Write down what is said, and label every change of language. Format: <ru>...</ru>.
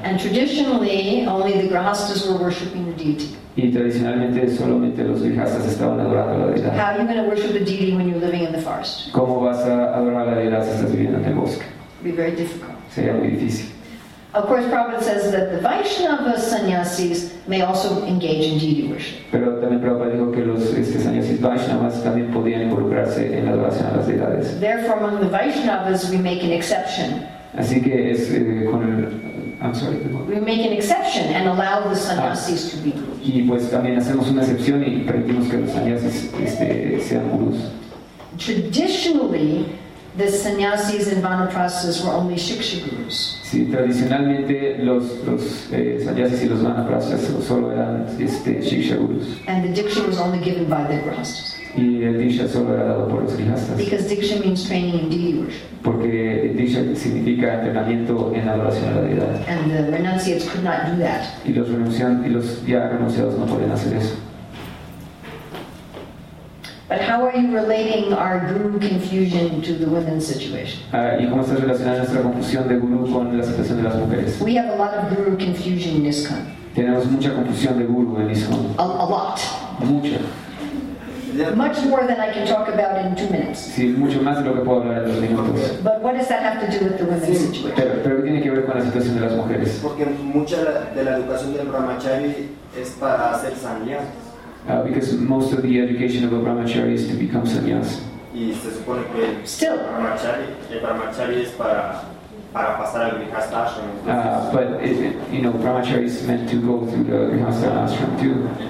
<en>And traditionally, only the Grihasthas were worshiping the deity.</en> <es>Y tradicionalmente solamente los Grihasthas estaban adorando a la deidad.</es> <en>How are you going to worship the deity when you're living in the forest?</en> <es>¿Cómo vas a adorar a la deidad si estás viviendo en el bosque?</es> <en>Be very difficult.</en> <es>Sería muy difícil.</es> <en>Of course, Prabhupada says that the Vaishnava sannyasis may also engage in deity worship.</en> <es>Pero también Prabhupada dijo que los sannyasis Vaishnavas también podían involucrarse en la adoración a las deidades.</es> <en>Therefore, among the Vaishnavas, we make an exception.</en> <es>Así que es con el.</es> <en>I'm sorry. We make an exception and allow the sannyasis to be gurus.</en> <es>Y pues también hacemos una excepción y permitimos que los sannyasis sean gurus.</es> <en>Traditionally. The sannyasis and vanaprasas were only shiksha gurus.</en> <es>Sí, tradicionalmente los sannyasis y los vanaprasas solo eran shiksha gurus.</es> <en>And the diksha was only given by the grihasthas.</en> <es>Y el diksha solo era dado por los grihasthas.</es> <en>Because diksha means training in deity worship.</en> <es>Porque diksha significa entrenamiento en adoración a la deidad.</es> <en>And the renunciates could not do that.</en> <es>Y los ya renunciados no podían hacer eso.</es> <en>But how are you relating our guru confusion to the women's situation?</en> <es>¿Y cómo estás relacionando nuestra confusión de gurú con la situación de las mujeres?</es> <en>We have a lot of guru confusion in ISKCON.</en> <es>Tenemos mucha confusión de gurú en ISKCON.</es> <en>A lot.</en> <es>Mucha.</es> <en>Much more than I can talk about in 2 minutes.</en> <es>Sí, mucho más de lo que puedo hablar en 2 minutos.</es> <en>But what does that have to do with the women's</en> <es>sí,</es> <en>situation?</en> <es>Pero ¿qué tiene que ver con la situación de las mujeres? Porque mucha de la educación del brahmachari es para hacer sannyas.</es> <en>Because most of the education of a brahmachari is to become sannyasi.</en> <es>Y se supone que</es> <en>still,</en> <es>el brahmachari es para para pasar al Grihastha Ashram.</es> <en>But is it, you know, Brahmachari is meant to go through the Grihastha Ashram too.</en>